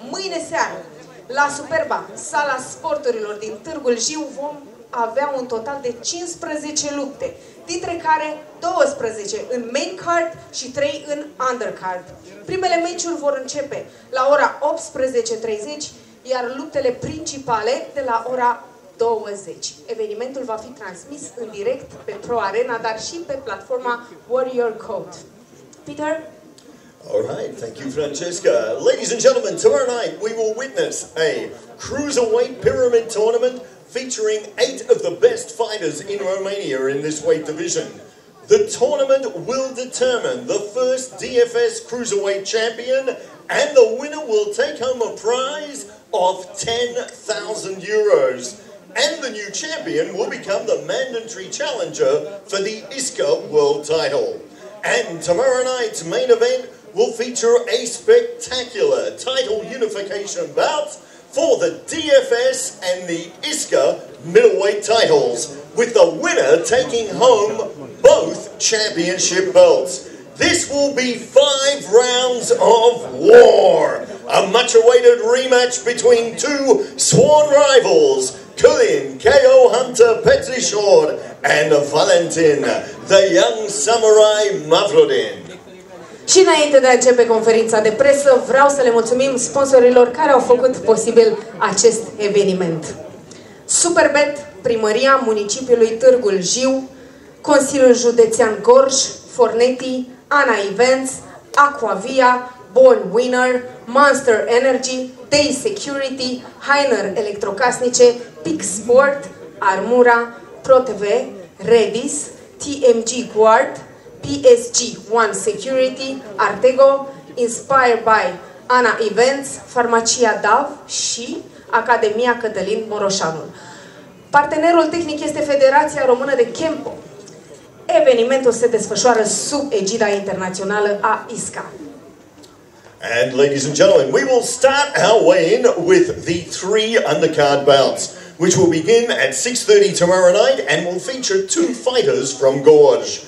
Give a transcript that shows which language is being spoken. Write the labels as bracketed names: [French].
[Romanian] Mâine seară, la Superba, sala sporturilor din Târgul Jiu, vom avea un total de 15 lupte, dintre care 12 în main card și 3 în undercard. Primele meciuri vor începe la ora 18:30, iar luptele principale de la ora 20. Evenimentul va fi transmis în direct pe Pro Arena, dar și pe platforma Warrior Code. Peter? [English] All right, thank you, Francesca. Ladies and gentlemen, tomorrow night we will witness a Cruiserweight Pyramid Tournament featuring 8 of the best fighters in Romania in this weight division. The tournament will determine the first DFS Cruiserweight champion, and the winner will take home a prize of 10,000 euros. And the new champion will become the mandatory challenger for the ISCA world title. And tomorrow night's main event will feature a spectacular title unification bout for the DFS and the ISCA middleweight titles, with the winner taking home both championship belts. This will be 5 rounds of war. A much-awaited rematch between two sworn rivals, Kulin KO Hunter Petrișor and Valentin, the young samurai Mavrodin. [Romanian] Și înainte de a începe conferința de presă, vreau să le mulțumim sponsorilor care au făcut posibil acest eveniment. Superbet, Primăria Municipiului Târgul Jiu, Consiliul Județean Gorj, Forneti, UNNA Events, Aquavia, Born Winner, Monster Energy, Day Security, Heiner Electrocasnice, Pix Sport, Armura, ProTV, Redis, TMG Guard, PSG One Security, Artego, Inspired by UNNA Events, Farmacia DAV și Academia Cătălin Moroșanu. Partenerul tehnic este Federația Română de Kempo. Evenimentul se desfășoară sub egida internațională a ISCA. [English] And ladies and gentlemen, we will start our weigh-in with the 3 undercard bouts, which will begin at 6:30 tomorrow night and will feature 2 fighters from Gorj.